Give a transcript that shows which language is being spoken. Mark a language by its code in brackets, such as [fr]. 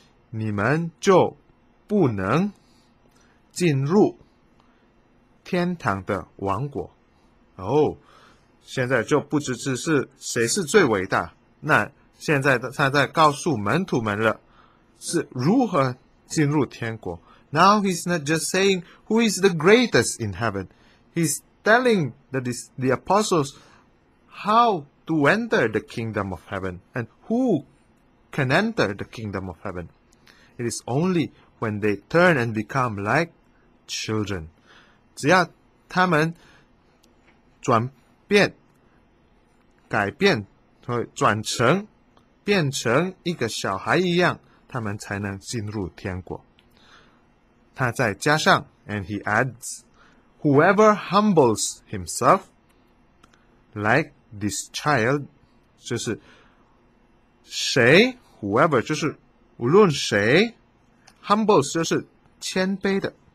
[zh] 你们就不能进入天堂的王国。哦，现在就不只只是谁是最伟大，那现在他在告诉门徒们了，是如何进入天国。 [en] Now he's not just saying who is the greatest in heaven. He's telling the apostles how to enter the kingdom of heaven and who can enter the kingdom of heaven. It is only when they turn and become like children. [zh] 只要他们转变、改变、转成、变成一个小孩一样，他们才能进入天国。他再加上 [en] and he adds, whoever humbles himself like this child, [zh] 就是谁 whoever, 就是无论谁 humbles 就是谦卑的，